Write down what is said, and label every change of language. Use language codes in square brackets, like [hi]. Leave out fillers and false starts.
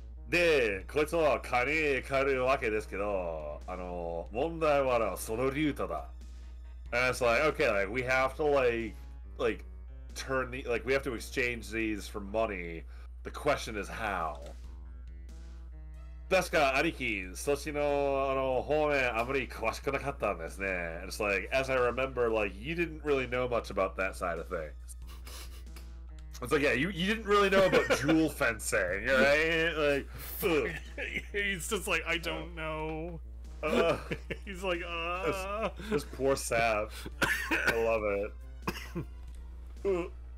[ja] で、こいつは金に変えるわけですけど、あの、問題はな、そのリュータだ。 [en] And it's like, okay, like, we have to, like, turn the, like, we have to exchange these for money. The question is how. [ja] ですが、兄貴、そっちの、あの、方面、あまり詳しくなかったんですね。 [en] And it's like, as I remember, like, you didn't really know much about that side of things. It's like, yeah, you didn't really know about jewel fencing, right? Like, he's just like, I don't know. He's like, This poor sap. I love it.